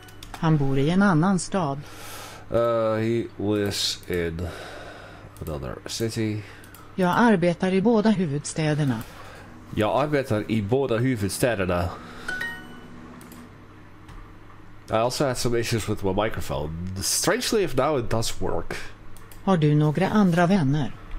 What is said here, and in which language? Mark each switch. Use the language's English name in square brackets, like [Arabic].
[Swedish] Han bor i en annan stad. [English] He lives in another city. [Swedish] Jag arbetar i båda huvudstäderna. Jag arbetar i båda huvudstäderna. [English] I also had some issues with my microphone. Strangely if now it does work. [Swedish] Har du några andra vänner?